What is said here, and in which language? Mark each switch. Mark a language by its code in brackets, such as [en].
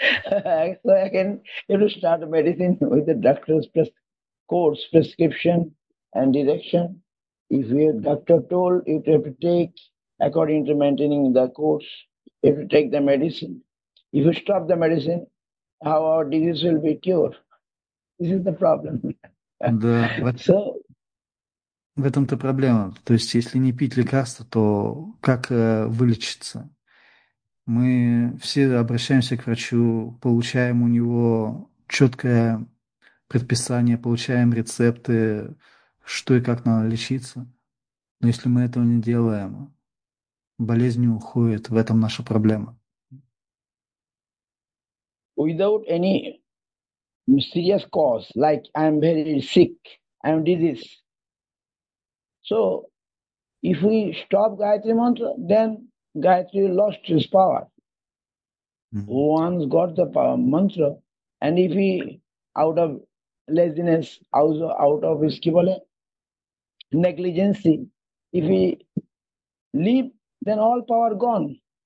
[en] So again, you have to start medicine with the doctor's course, prescription and direction. If your doctor told you to have to take according to maintaining the course, you have to take the medicine. If you stop the medicine, how our disease will be cured? This is the problem. The, what? So, [ru] В этом-то проблема. То есть, если не пить лекарства, то как вылечиться? Мы все обращаемся к врачу, получаем у него четкое предписание, получаем рецепты, что и как надо лечиться. Но если мы этого не делаем, болезнь не уходит, в этом наша проблема. [en] Without any serious cause, like I'm very sick, I'm diseased. So, if we stop Gayatri Mantra, then Gayatri lost his power. Once got the power, mantra, and if he, out of laziness, also out of his negligence, if he leave, then all power gone.